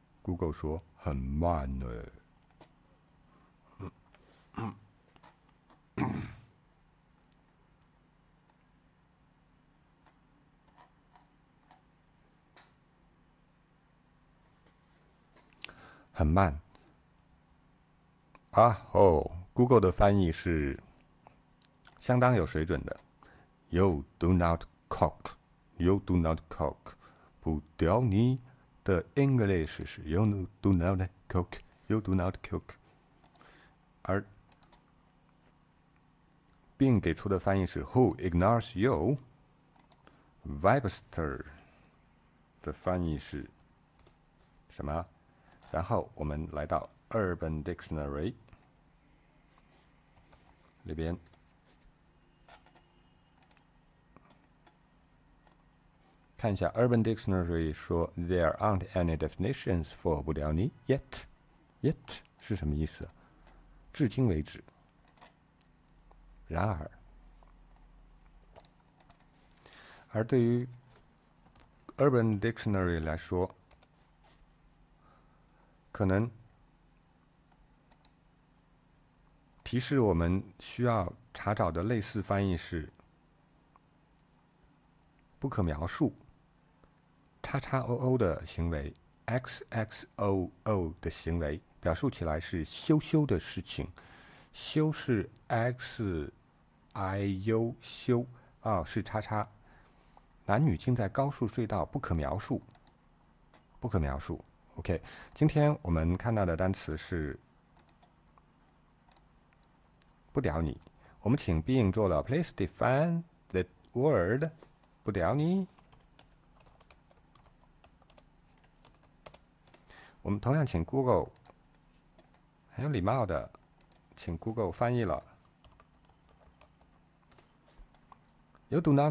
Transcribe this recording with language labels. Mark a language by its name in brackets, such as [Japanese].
[Chinese] Google 说很慢呢，很慢。啊哦 ，Google 的翻译是相当有水准的。 [English] You do not cook， you do not cook， 不屌你。 The English 是 you do not cook， you do not cook。 [Chinese] 而 Bing 给出的翻译是 [English] who ignores you。 [Chinese] Webster 的翻译是什么？然后我们来到 Urban Dictionary 里边，看一下 Urban Dictionary 说 [English] There aren't any definitions for 不屌你 yet。 [Chinese] yet 是什么意思？至今为止。然而，而对于 Urban Dictionary 来说，可能提示我们需要查找的类似翻译是不可描述叉叉 OO 的行为 XXOO 的行为，表述起来是羞羞的事情。羞是 XIU 羞，哦，是叉叉。男女竟在高速隧道不可描述，不可描述。 OK， 今天我们看到的单词是不屌你。我们请 Bing 做了 [English] Please define the word [Chinese] 不屌你。我们同样请 Google， 很有礼貌的请 Google 翻译了 [English] You do not cook。 [Chinese] 如果你不知道 cook 是什么意思的话，最后作为一个